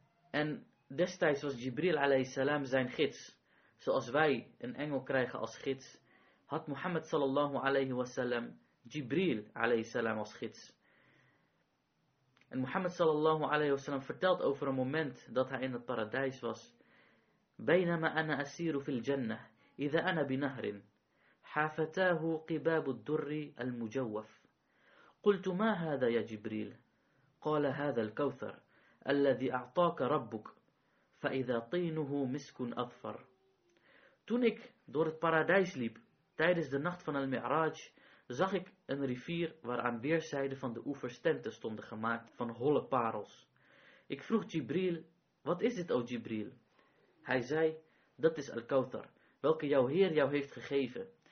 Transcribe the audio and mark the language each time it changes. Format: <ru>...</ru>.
<nl>En destijds was Jibril alayhi salam zijn gids. Zoals wij een engel krijgen als gids, had Mohammed sallallahu alayhi wa sallam Jibril alayhi salam als gids. En Mohammed sallallahu alayhi wa sallam vertelt over een moment dat hij in het paradijs was.</nl> <ar>بينما أنا أسير في الجنة إذا أنا بنهر حافتاه قباب الدر المجوف قلت ما هذا يا جبريل قال هذا الكوثر الذي أعطاك ربك فإذا طينه مسك أظفر.</ar> <nl>Toen ik door het paradijs liep tijdens de nacht van al-Mi'raj, zag ik een rivier waaraan weerszijden van de oevers tenten stonden gemaakt van holle parels. Ik vroeg Jibril, wat is dit, o Jibril? Hij zei, dat is Al-Kauthar, welke jouw Heer jou heeft gegeven.</nl>